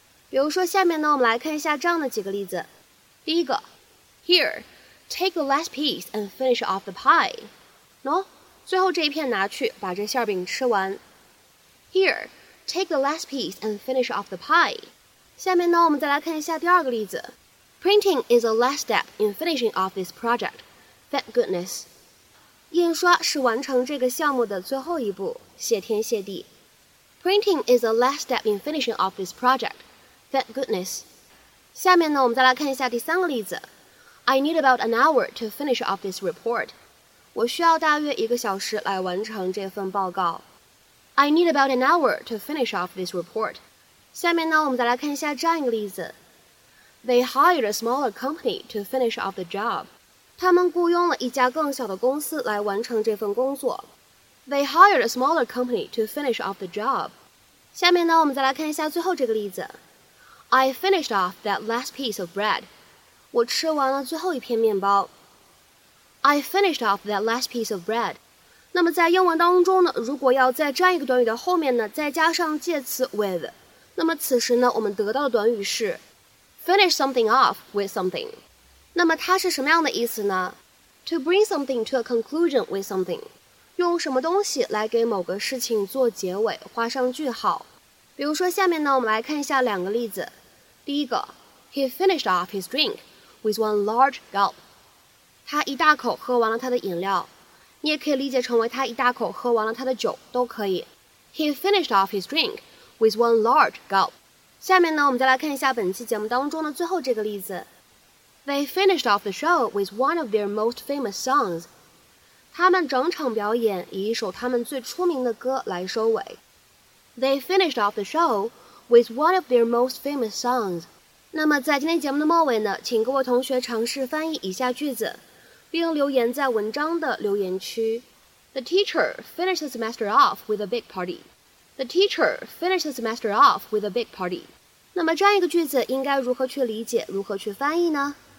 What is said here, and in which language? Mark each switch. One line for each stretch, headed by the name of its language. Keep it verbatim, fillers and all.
Chinese: 比如说下面呢我们来看一下这样的几个例子。第一个
English: Here, take the last piece and finish off the pie.
Chinese: No, 最后这一片拿去把这馅饼吃完。
English: Here, take the last piece and finish off the pie.
Chinese: 下面呢我们再来看一下第二个例子。
English: Printing is the last step in finishing off this project. Thank goodness.
Chinese: 印刷是完成这个项目的最后一步，谢天谢地。
English: Printing is the last step in finishing off this project. Thank goodness.
Chinese: 下面呢，我们再来看一下第三个例子。
English: I need about an hour to finish off this report.
Chinese: 我需要大约一个小时来完成这份报告。
English: I need about an hour to finish off this report.
Chinese: 下面呢，我们再来看一下这样一个例子。
English: They hired a smaller company to finish off the job.
Chinese: 他们雇佣了一家更小的公司来完成这份工作。
English: They hired a smaller company to finish off the job.
Chinese: 下面呢，我们再来看一下最后这个例子。
English: I finished off that last piece of bread.
Chinese: 我吃完了最后一片面包。
English: I finished off that last piece of bread.
Chinese: 那么在英文当中呢，如果要在这样一个短语的后面呢，再加上介词 with， 那么此时呢，我们得到的短语是 finish something off with something. 那么它是什么样的意思呢？
English: To bring something to a conclusion with something.
Chinese: 用什么东西来给某个事情做结尾，画上句号。比如说下面呢，我们来看一下两个例子。第一个
English: He finished off his drink with one large gulp.
Chinese: 他一大口喝完了他的饮料，你也可以理解成为他一大口喝完了他的酒，都可以。
English: He finished off his drink with one large gulp.
Chinese: 下面呢，我们再来看一下本期节目当中的最后这个例子。
English: They finished off the show with one of their most famous songs.
Chinese: 他们整场表演以一首他们最出名的歌来收尾。
English: They finished off the show with one of their most famous songs.
Chinese: 那么在今天节目的末尾呢，请各位同学尝试翻译以下句子，并留言在文章的留言区。
English: The teacher finished the semester off with a big party. The teacher finished the semester off with a big party.
Chinese: 那么这样一个句子应该如何去理解，如何去翻译呢？